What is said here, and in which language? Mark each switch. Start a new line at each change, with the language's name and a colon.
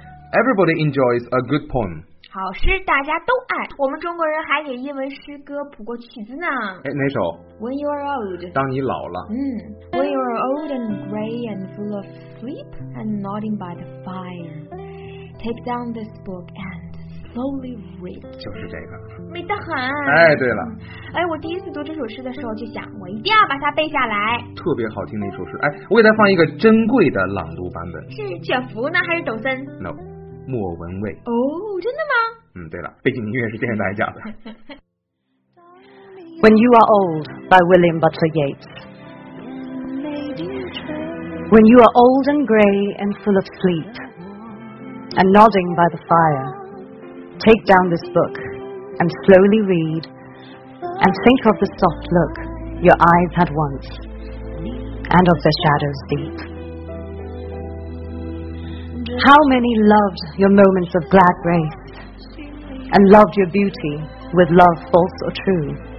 English: Everybody enjoys a good poem.
Chinese: 好诗大家都爱。我们中国人还给英文诗歌谱过曲子呢。哎，哪首？
English: When you are old.
Chinese: 当你老了。
English: When you are old and gray and full of sleep and nodding by the fire, take down this book and slowly read.
Chinese: 就是这个。美得很。哎，对了。哎，我第一次读这首诗的时候就想，我一定要把它背下来。特别好听的一首诗。哎，我给它放一个珍贵的朗读版本。是卷福呢，还是抖森
English: ？No. 莫文蔚
Chinese: 哦、真的吗对了背景音乐是电视台讲的
English: When you are old by William Butler Yeats When you are old and gray and full of sleep and nodding by the fire take down this book and slowly read and think of the soft look your eyes had once and of the shadows deepHow many loved your moments of glad grace and loved your beauty with love false or true.